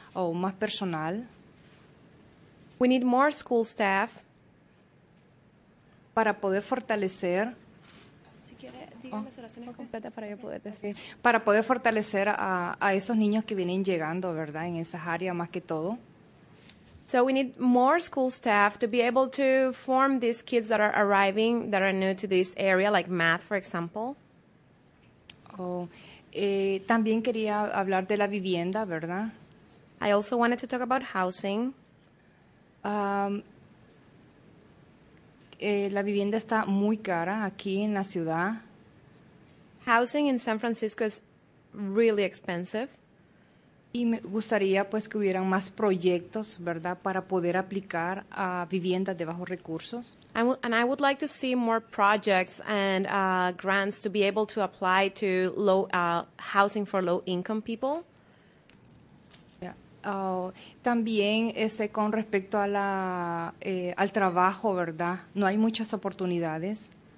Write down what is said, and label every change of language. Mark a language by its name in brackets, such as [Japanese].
[Spanish] Oh, más personal. [English] We need more school staff. [Spanish] Para poder fortalecer. Si quiere, dígame las oraciones completas para yo poder decir. [English] Okay. [Spanish] Para poder fortalecer a esos niños que vienen llegando, ¿verdad? En esas áreas más que todo. [English] So we need more school staff to be able to form these kids that are arriving, that are new to this area, like math, for example. [Spanish] También quería hablar de la vivienda, ¿verdad? [English] I also wanted to talk about housing. [Spanish] La vivienda está muy cara aquí en la ciudad. [English] Housing in San Francisco is really expensive. [Spanish] Y me gustaría pues que hubieran más proyectos, ¿verdad?, para poder aplicar a viviendas de bajos recursos. [English] And I would like to see more projects and grants to be able to apply to low housing for low-income people. Yeah. [Spanish] También con respecto a la al trabajo, ¿verdad?, no hay muchas oportunidades.